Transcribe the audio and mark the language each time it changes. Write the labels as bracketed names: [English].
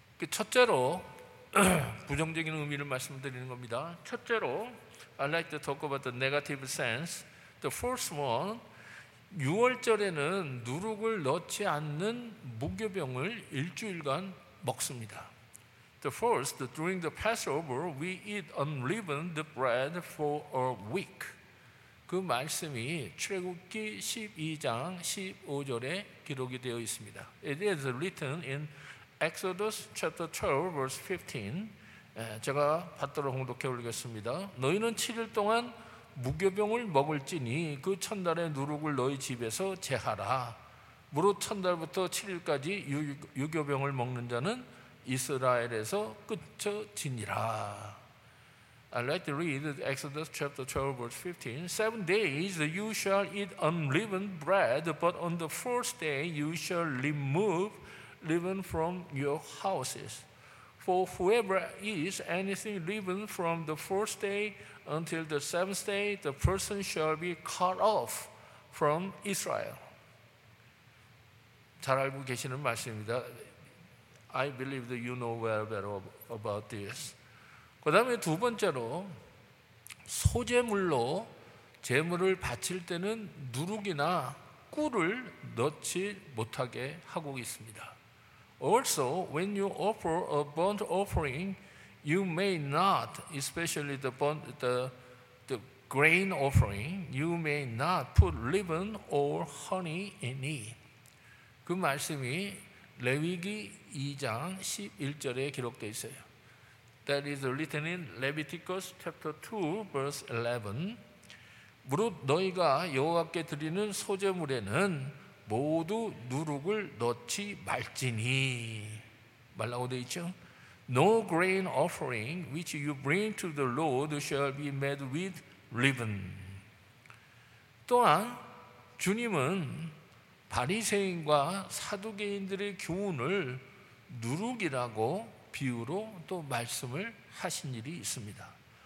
[Korean] 첫째로 부정적인 의미를 말씀드리는 겁니다. 첫째로 [English] I'd like to talk about the negative sense. The first one, [Korean] 유월절에는 누룩을 넣지 않는 무교병을 일주일간 먹습니다. [English] The first, during the Passover, we eat unleavened bread for a week. [Korean] 그 말씀이 출애굽기 12장 15절에 기록이 되어 있습니다. [English] It is written in Exodus chapter 12 verse 15. [Korean] 제가 받들어 홍독해 올리겠습니다. 너희는 7일 동안 무교병을 먹을지니 그 첫날에 누룩을 너희 집에서 제하라. 무릇 첫날부터 7일까지 유교병을 먹는 자는 이스라엘에서 끊어지니라. [English] I'd like to read Exodus chapter 12 verse 15. 7 days you shall eat unleavened bread, but on the first day you shall remove leaven from your houses. For whoever eats anything leavened from the first day until the seventh day, the person shall be cut off from Israel. [Korean] 잘 알고 계시는 말씀입니다. [English] I believe that you know well about this. [Korean] 그 다음에 두 번째로 소제물로 제물을 바칠 때는 누룩이나 꿀을 넣지 못하게 하고 있습니다. [English] Also, when you offer a burnt offering, you may not, especially the grain offering, you may not put leaven or honey in it. [Korean] 그 말씀이 레위기 2장 11절에 기록되어 있어요. [English] That is written in Leviticus chapter 2 verse 11. [Korean] 무릇 너희가 여호와께 드리는 소제물에는 모두 누룩을 넣지 말지니. 말라고 되어 있죠? [English] No grain offering which you bring to the Lord shall be made with leaven. [Korean] 또한 주님은 바리새인과 사두개인들의 교훈을 누룩이라고 비유로 또 말씀을 하신 일이 있습니다.